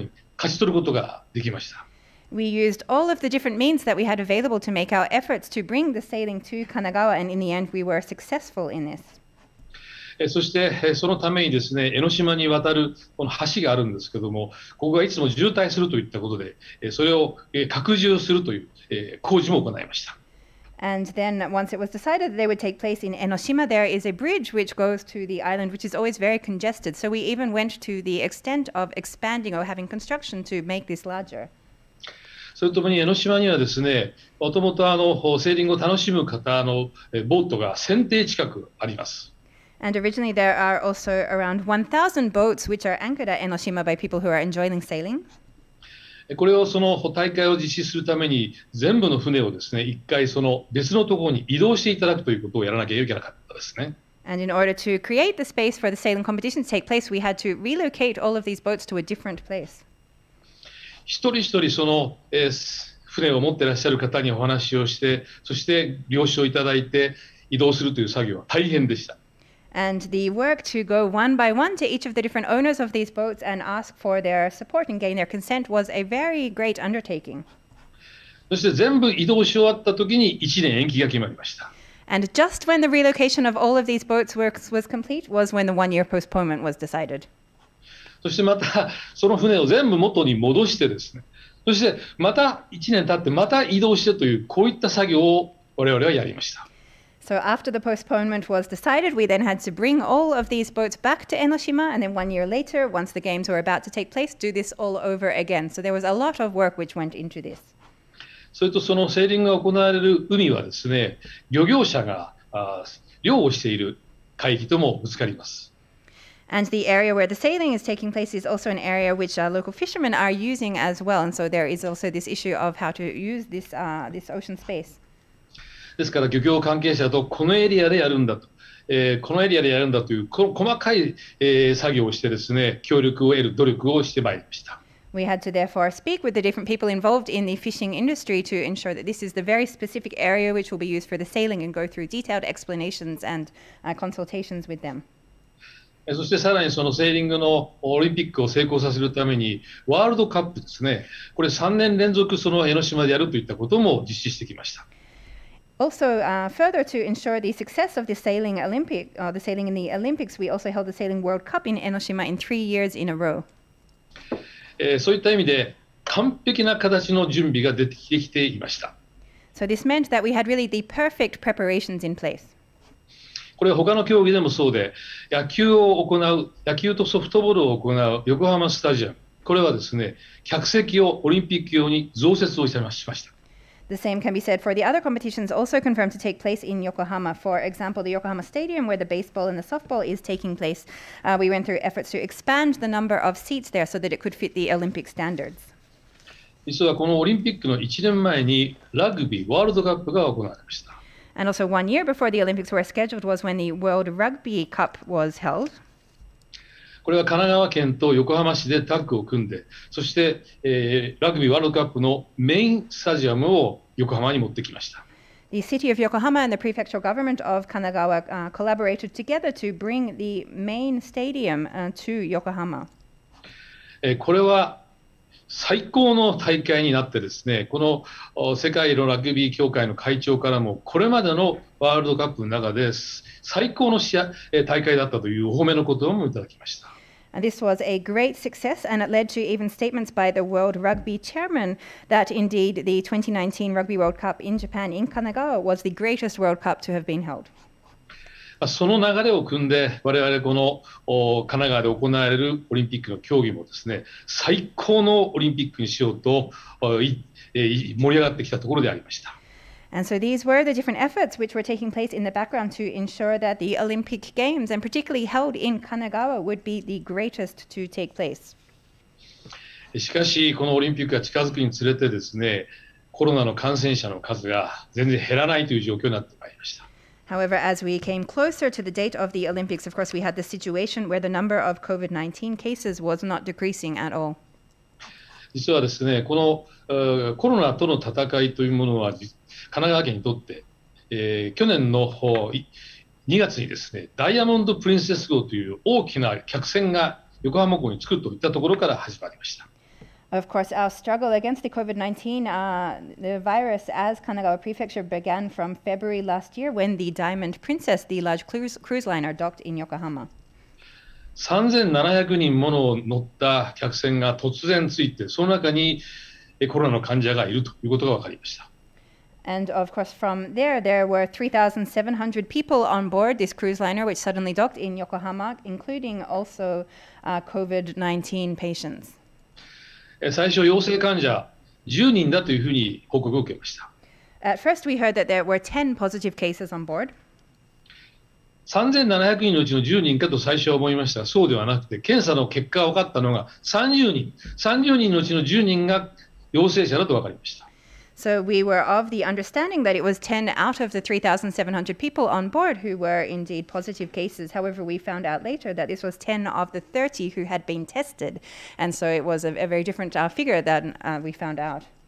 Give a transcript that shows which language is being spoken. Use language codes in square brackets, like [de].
[ja] 我々もありとらゆる手を使ってですね、なんとかして江ノ島に持ってこようとして、やっと最後に勝ち取ることができました。 [en] We used all of the different means that we had available to make our efforts to bring the sailing to Kanagawa, and in the end, we were successful in this. [ja] そして、そのためにですね、江ノ島に渡るこの橋があるんですけども、ここがいつも渋滞するといったことで、それを拡充するという工事も行いました。 [en] And then once it was decided that they would take place in Enoshima, there is a bridge which goes to the island, which is always very congested. So we even went to the extent of expanding or having construction to make this larger. [ja] それともに江ノ島にはですね、もともとセーリングを楽しむ方のボートが1000艇近くあります。 [en] And originally there are also around 1,000 boats which are anchored at Enoshima by people who are enjoying sailing. [ja] これをその大会を実施するために全部の船をですね、一回その別のところに移動していただくということをやらなきゃいけなかったですね。 [en] And in order to create the space for the sailing competition to take place, we had to relocate all of these boats to a different place. [ja] 一人一人その、船を持ってらっしゃる方にお話をして、そして了承いただいて移動するという作業は大変でした。 [en] And the work to go one by one to each of the different owners of these boats and ask for their support and gain their consent was a very great undertaking. [ja] そして全部移動し終わった時に1年延期が決まりました。 [en] And just when the relocation of all of these boats works was complete was when the one-year postponement was decided. [ja] そしてまたその船を全部元に戻してですね。そしてまた1年経ってまた移動してというこういった作業を我々はやりました。 [en] So after the postponement was decided, we then had to bring all of these boats back to Enoshima, and then 1 year later, once the games were about to take place, do this all over again. So there was a lot of work which went into this. [ja] それとそのセーリングが行われる海はですね、漁業者が漁をしている海域ともぶつかります。 [en] And the area where the sailing is taking place is also an area which local fishermen are using as well, and so there is also this issue of how to use this, this ocean space. [ja] ですから漁業関係者とこのエリアでやるんだと、このエリアでやるんだという細かい、作業をしてですね、協力を得る努力をしてまいりました。 [en] We had to therefore speak with the different people involved in the fishing industry to ensure that this is the very specific area which will be used for the sailing and go through detailed explanations and consultations with them. [ja] そしてさらにそのセーリングのオリンピックを成功させるためにワールドカップですね、これ3年連続その江ノ島でやるといったことも実施してきました。 [en] Also, further to ensure the success of the sailing Olympic, the sailing in the Olympics, we also held the sailing World Cup in Enoshima in 3 years in a row. [ja] そういった意味で完璧な形の準備が出てきていました。 [en] So this meant that we had really the perfect preparations in place. [ja] これは他の競技でもそうで、野球を行う、野球とソフトボールを行う横浜スタジアム、これはですね、客席をオリンピック用に増設をしました。 [en] The same can be said for the other competitions also confirmed to take place in Yokohama. For example, the Yokohama Stadium where the baseball and the softball is taking place, we went through efforts to expand the number of seats there so that it could fit the Olympic standards. [ja] 実はこのオリンピックの1年前にラグビーワールドカップが行われました。 [en] And also 1 year before the Olympics were scheduled was when the World Rugby Cup was held. [ja] これは神奈川県と横浜市でタッグを組んで、そして、ラグビーワールドカップのメインスタジアムを横浜に持ってきました。 [en] The city of Yokohama and the prefectural government of Kanagawa collaborated together to bring the main stadium to Yokohama. [ja] これは最高の大会になってですね、この世界のラグビー協会の会長からも、これまでのワールドカップの中で最高の試合大会だったというお褒めの言葉もいただきました。 [en] This was a great success, and it led to even statements by the World Rugby Chairman that indeed the 2019 Rugby World Cup in Japan in Kanagawa was the greatest World Cup to have been held. [ja] その流れを組んで、我々この神奈川で行われるオリンピックの競技もですね、最高のオリンピックにしようと盛り上がってきたところでありました。 [en] And so these were the different efforts which were taking place in the background to ensure that the Olympic Games, and particularly held in Kanagawa, would be the greatest to take place. [ja] しかし、このオリンピックが近づくにつれてですね、コロナの感染者の数が全然減らないという状況になってまいりました。 [en] However, as we came closer to the date of the Olympics, of course, we had the situation where the number of COVID-19 cases was not decreasing at all. [ja] 実はですね、このコロナとの戦いというものは神奈川県にとって、去年の2月にですね、ダイヤモンド・プリンセス号という大きな客船が横浜港に着くといったところから始まりました。 [en] Of course, our struggle against the COVID-19, the virus as Kanagawa Prefecture began from February last year when the Diamond Princess, the large cruise liner, docked in Yokohama. [ja] 3,700 人もの乗った客船が突然着いて、その中にコロナの患者がいるということが分かりました。 [en] And of course, from there, there were 3,700 people on board this cruise liner, which suddenly docked in Yokohama, including also COVID-19 patients. [ja] 最初陽性患者10人だというふうに報告を受けました。 [en] At first we heard that there were 10 positive cases on board. [ja] 3,700 人のうちの10人かと最初は思いましたが、そうではなくて、検査の結果が分かったのが30人のうちの10人が陽性者だと分かりました。 [en] So we were of the understanding that it was 10 out of the 3,700 people on board who were indeed positive cases. However, we found out later that this was 10 of the 30 who had been tested. And so it was a very different figure than we found out.